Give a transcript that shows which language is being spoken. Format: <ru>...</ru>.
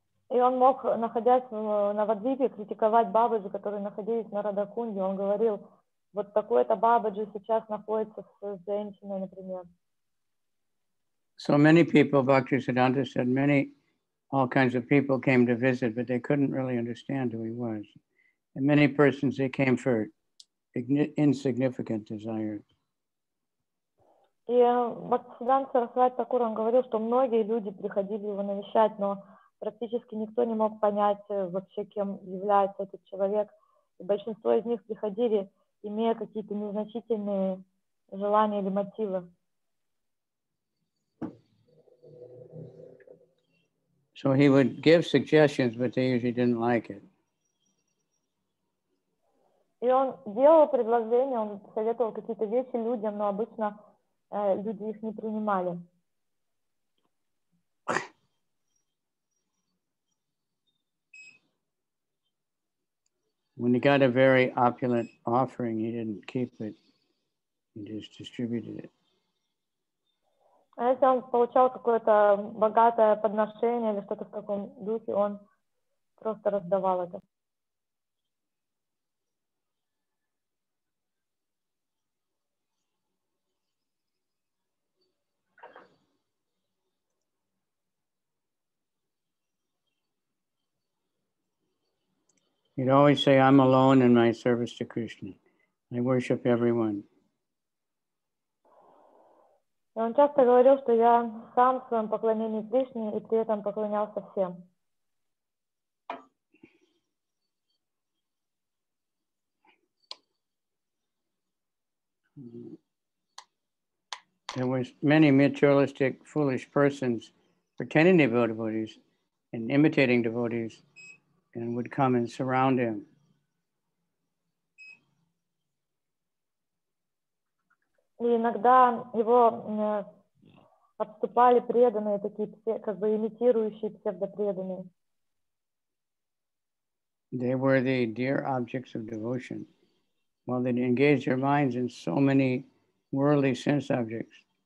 <ru>И он мог, находясь в Навадвипе, критиковать Бабаджи, которые находились на Радакунде. Он говорил, вот такой-то Бабаджи сейчас находится с женщиной, например.</ru> <en>So many people, Bhakti Siddhanta said, many, all kinds of people came to visit, but they couldn't really understand who he was. And many persons, they came for insignificant desires.</en> <ru>И Бхакти Сиддханта Сарасвати Такур, он говорил, что многие люди приходили его навещать, но практически никто не мог понять вообще, кем является этот человек. И большинство из них приходили, имея какие-то незначительные желания или мотивы.</ru> <en>So he would give suggestions, but they usually didn't like it.</en> <ru>И он делал предложения, он советовал какие-то вещи людям, но обычно люди их не принимали.</ru> <en>When he got a very opulent offering, he didn't keep it. He just distributed it.</en> <ru>А если он получал какое-то богатое подношение или что-то в таком духе, он просто раздавал это.</ru> <en>He'd always say, I'm alone in my service to Krishna. I worship everyone.</en> <ru>И он часто говорил, что я сам в своем поклонении Кришне и при этом поклонялся всем.</ru> <en>There were many materialistic, foolish persons pretending to be devotees and imitating devotees and would come and surround him.</en> <ru>И иногда его обступали преданные, такие как бы имитирующие псевдопреданные.</ru> <en>They were the dear objects of devotion. Well, they engaged their minds in so many worldly sense objects.</en>